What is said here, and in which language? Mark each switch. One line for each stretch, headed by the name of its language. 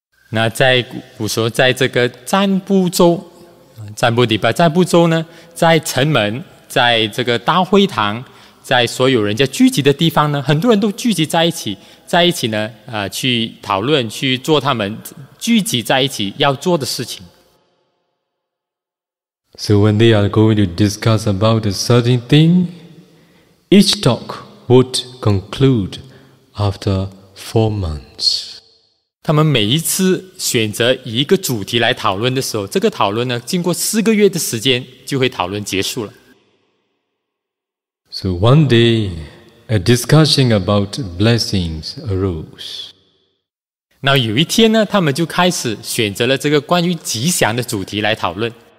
Chinese: 那在古时候，在这个占卜州，占卜地吧，占卜州呢，在城门，在这个大会堂，在所有人家聚集的地方呢，很多人都聚集在一起，在一起呢，去讨论，去做他们聚集在一起要做的事情。
English: So when they are going to discuss about a certain thing, each talk would conclude after 4 months。
Chinese: 他们每一次选择一个主题来讨论的时候，这个讨论呢，经过4个月的时间就会讨论结束了。
English: So one day, a discussion about blessings arose。
Chinese: 那有一天呢，他们就开始选择了这个关于吉祥的主题来讨论。